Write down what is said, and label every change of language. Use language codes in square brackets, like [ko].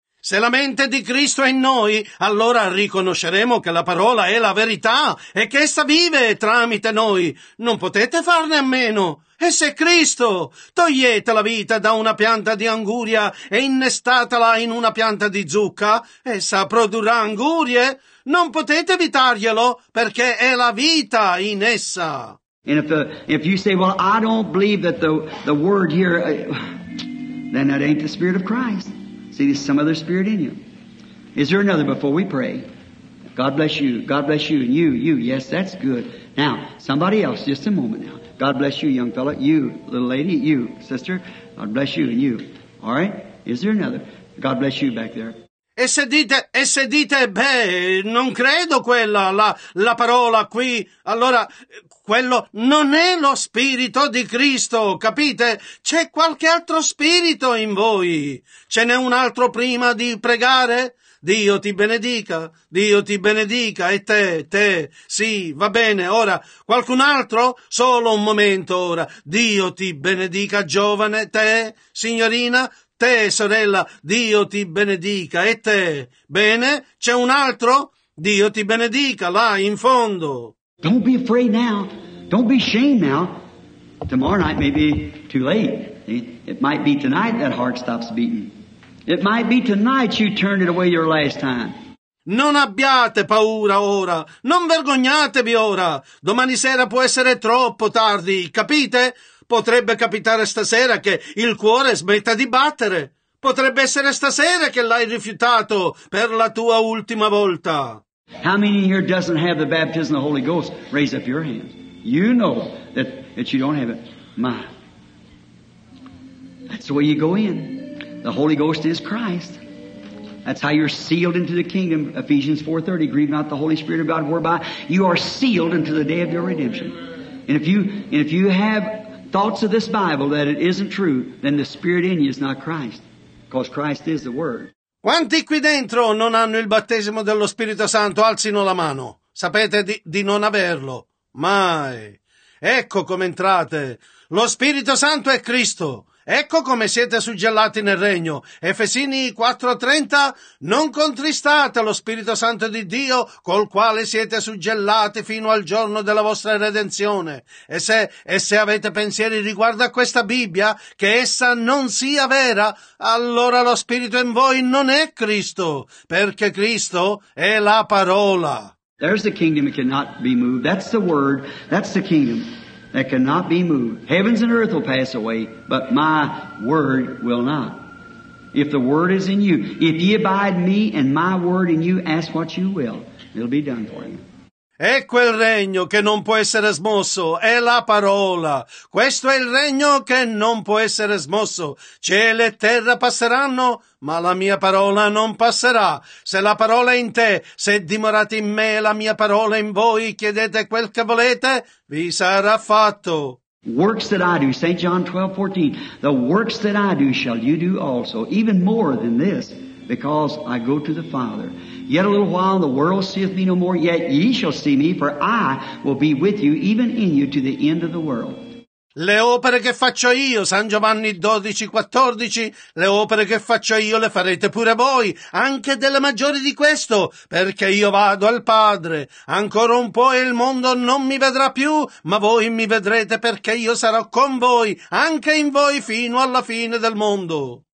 [it] Se la mente di Cristo è in noi, allora riconosceremo che la parola è la verità e che essa vive tramite noi. Non potete farne a meno. E se Cristo, togliete la vita da una pianta di anguria e innestatela in una pianta di zucca, essa produrrà angurie. Non potete evitarglielo, perché è la vita in essa. [en] And if you say, well, I don't believe that the word here, then that ain't the Spirit of Christ. See, there's some other spirit in you. Is there another before we pray? God bless you. God bless you and you. Yes, that's good. Now, somebody else, just a moment now. God bless you, young fellow. You, little lady, you, sister. God bless you and you. All right? Is there another? God bless you back there. [it] E se dite, beh, non credo quella, la parola qui, allora, quello non è lo spirito di Cristo, capite? C'è qualche altro spirito in voi. Ce n'è un altro prima di pregare? Dio ti benedica, e te, sì, va bene, ora, qualcun altro? Solo un momento, ora. Dio ti benedica, giovane, te, signorina, te, sorella, Dio ti benedica, e te, bene, c'è un altro? Dio ti benedica, là, in fondo. [en] Don't be afraid now, don't be ashamed now. Tomorrow night may be too late. It might be tonight that heart stops beating. It might be tonight you turned it away your last time. [it] Non abbiate paura ora, non vergognatevi ora. Domani sera può essere troppo tardi, capite? Potrebbe capitare stasera che il cuore smetta di battere. Potrebbe essere stasera che l'hai rifiutato per la tua ultima volta. [en] How many here doesn't have the baptism of the Holy Ghost? Raise up your hand. You know that you don't have it. My. That's the way you go in. The Holy Ghost is Christ. That's how you're sealed into the kingdom. Ephesians 4:30. Grieve not the Holy Spirit of God, whereby you are sealed into the day of your redemption. And if you have thoughts of this Bible that it isn't true, then the Spirit in you is not Christ. Because Christ is the Word. [it] Quanti qui dentro non hanno il battesimo dello Spirito Santo? Alzino la mano. Sapete di non averlo. Mai. Ecco come entrate. Lo Spirito Santo è Cristo. Ecco come siete suggellati nel Regno. Efesini 4:30. Non contristate lo Spirito Santo di Dio col quale siete suggellati fino al giorno della vostra redenzione. E se avete pensieri riguardo a questa Bibbia, che essa non sia vera, allora lo Spirito in voi non è Cristo, perché Cristo è la parola. [en] There's the kingdom that cannot be moved. That's the word. That's the kingdom. That cannot be moved. Heavens and earth will pass away, but my word will not. If the word is in you, if ye abide me and my word in you, ask what you will. It'll be done for you. [it] È quel regno che non può essere smosso, è la parola. Questo è il regno che non può essere smosso. Cielo e terra passeranno, ma la mia parola non passerà. Se la parola è in te, se dimorate in me, la mia parola in voi, chiedete quel che volete, vi sarà fatto. [en] Works that I do, St. John 12:14, the works that I do shall you do also, even more than this, because I go to the Father. Yet a little while the world seeth me no more, yet ye shall see me, for I will be with you, even in you, to the end of the world. [it] Le opere che faccio io, San Giovanni 12:14, le opere che faccio io le farete pure voi, anche delle maggiori di questo, perché io vado al Padre. Ancora un po' il mondo non mi vedrà più, ma voi mi vedrete perché io sarò con voi, anche in voi fino alla fine del mondo.